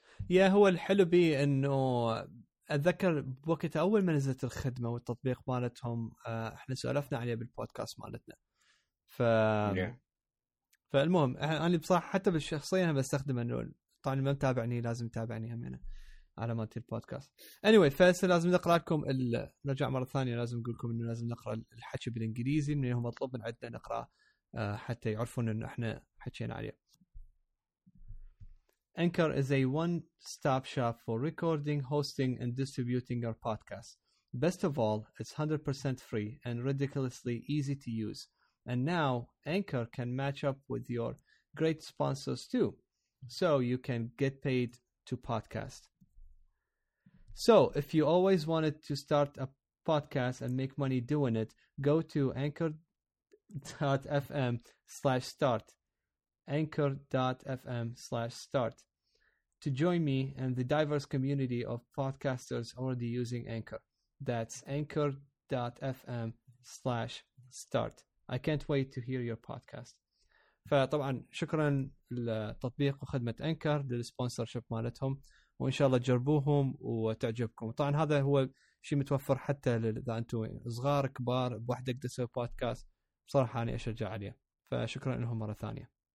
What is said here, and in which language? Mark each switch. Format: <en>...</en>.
<ar>يا هو الحلو بي انه اتذكر بوقت اول ما نزلت الخدمه والتطبيق مالتهم احنا سولفنا عليها بالبودكاست مالتنا فالمهم انا بصراحه حتى بالشخصية انا بستخدم انول طبعا ما متابعني لازم تتابعني هم هنا على مالت البودكاست anyway فاس لازم نقرا لكم نرجع مره ثانيه لازم اقول لكم انه لازم نقرا الحكي بالانجليزي من اللي هم مطلوب من عندنا نقرا حتى يعرفون انه احنا حكينا عليه.</ar> <en>Anchor is a one-stop shop for recording, hosting, and distributing our podcast. Best of all, it's 100% free and ridiculously easy to use. And now, Anchor can match up with your great sponsors too, so you can get paid to podcast. So, if you always wanted to start a podcast and make money doing it, go to anchor.fm/start. anchor.fm/start. To join me and the diverse community of podcasters already using Anchor. That's anchor.fm/start. I can't wait to hear your podcast.</en> <ar>فطبعا شكرا للتطبيق وخدمة Anchor للسponsorship مالتهم وإن شاء الله تجربوهم وتعجبكم. طبعا هذا هو شيء متوفر حتى إذا أنتم صغار كبار بوحدك تسوي بودكاست بصراحة أنا أشجع عليه. فشكرا لهم مرة ثانية.</ar>